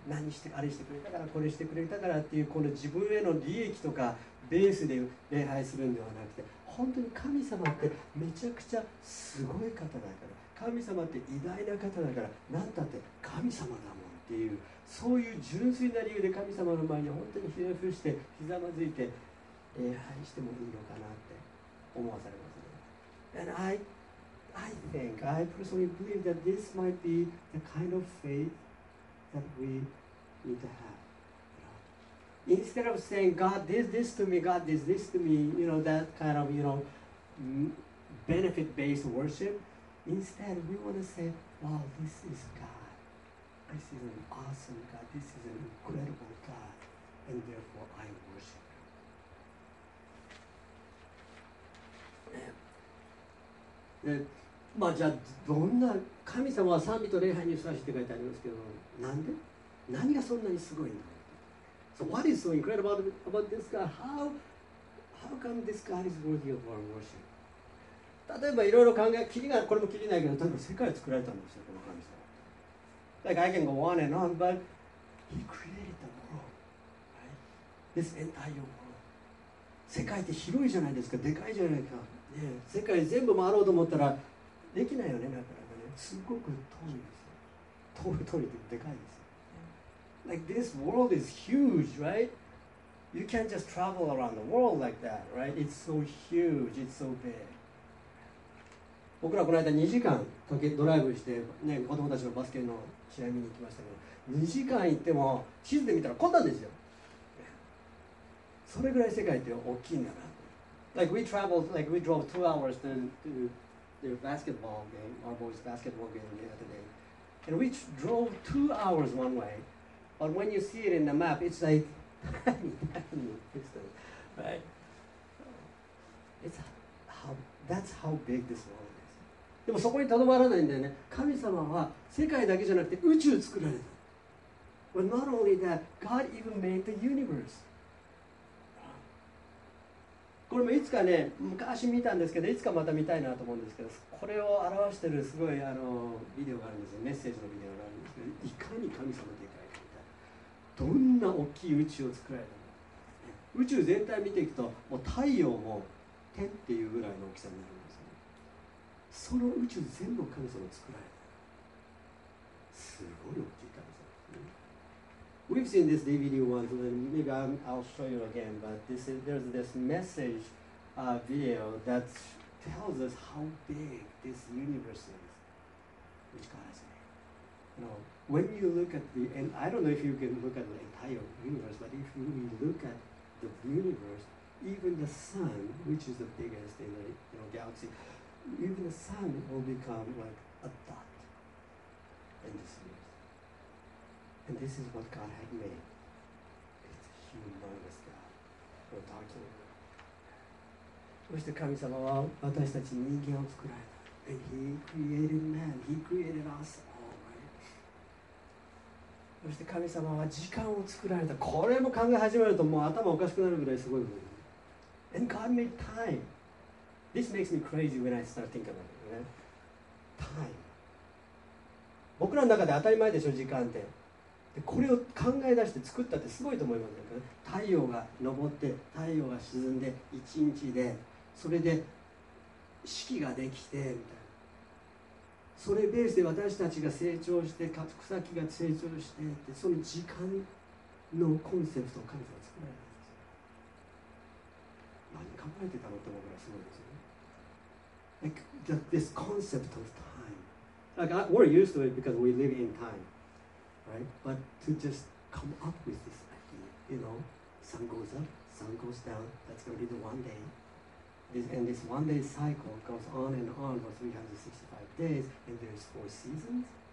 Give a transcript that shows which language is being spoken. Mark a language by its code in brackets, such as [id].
[ja] 何してあれしてくれたからこれしてくれたからっていうこの自分への利益とかベースで礼拝するんではなくて、本当に神様ってめちゃくちゃすごい方だから、神様って偉大な方だから、何だって神様だもんっていうそういう純粋な理由で神様の前に本当にひれ伏してひざまずいて礼拝してもいいのかなって思わされますね。 [en] And I think, I personally believe that this might be the kind of faith that we need to have. Instead of saying, God did this to me, God did this to me, you know, that kind of, you know, benefit-based worship, instead we want to say, wow, this is God. This is an awesome God. This is an incredible God. And therefore, I worship. [ja] でまあじゃあどんな神様は賛美と礼拝にふさわしいって書いてありますけど、なんで何がそんなにすごいの、 [en] So what is so incredible about this God? How come this God is worthy of our worship? [ja] 例えばいろいろ考え、キリがこれもキリないけど、例えば世界を作られたんですよ、この神様。 [en] Like I can go on and on, but He created the world, right? This entire world. [ja] 世界って広いじゃないですか、でかいじゃないか、ね、世界全部回ろうと思ったらできないよね、なかなかね、すごく遠いですよ、遠いってでかいですよ、yeah. [en] Like this world is huge, right? You can't just travel around the world like that, right? It's so huge, it's so big. [ja] 僕らこの間2時間ドライブして、ね、子供たちのバスケの試合見に行きましたけど、2時間行っても地図で見たらこんなんですよ。それぐらい世界って大きいんだな。 [en] Like we traveled, like we drove 2 hours to the basketball game, our boys' basketball game the other day. And we drove 2 hours one way, but when you see it in the map, it's like tiny distance, right? That's how big this world is. [ja] でもそこにとどまらないんだよね。神様は世界だけじゃなくて宇宙作られた。 [en] Well, not only that, God even made the universe. [ja] これもいつかね、昔見たんですけど、いつかまた見たいなと思うんですけど、これを表してるすごいビデオがあるんですよ、メッセージのビデオがあるんですけど、いかに神様でかいかみたいな、どんな大きい宇宙を作られたのか、宇宙全体見ていくと、もう太陽も天っていうぐらいの大きさになるんですよ、その宇宙全部神様作られた、すごい大きい神様ですね。 [en] We've seen this DVD once, and maybe I'll show you again, but there's this message video that tells us how big this universe is, which God has made. You know, when you look at the, and I don't know if you can look at the entire universe, but if you look at the universe, even the sun, which is the biggest in the galaxy, even the sun will become like a dot in this universe. And this is what God had made. It's a humongous God. We're talking about. [ja] そして神様は私たち人間を作られた。 [en] And He created man. He created us all, right? [ja] そして神様は時間を作られた。これも考え始めるともう頭おかしくなるぐらいすごいもん、ね。 [en] And God made time. This makes me crazy when I start thinking about it, right? Time. [ja] 僕らの中で当たり前でしょ、時間って。これを考え出して作ったってすごいと思いますよ、ね、太陽が昇って太陽が沈んで一日でそれで四季ができてみたいな、それベースで私たちが成長して草木が成長してって、その時間のコンセプトを神様作られたんですよ。何考えてたのって思うぐらいすごいですよね。 [en] Like this concept of time. Like we're used to it because we live in timeRight? But to just come up with this idea, you know, sun goes up, sun goes down, that's going to be the one day. This one day cycle goes on and on for 365 days, and there's four seasons.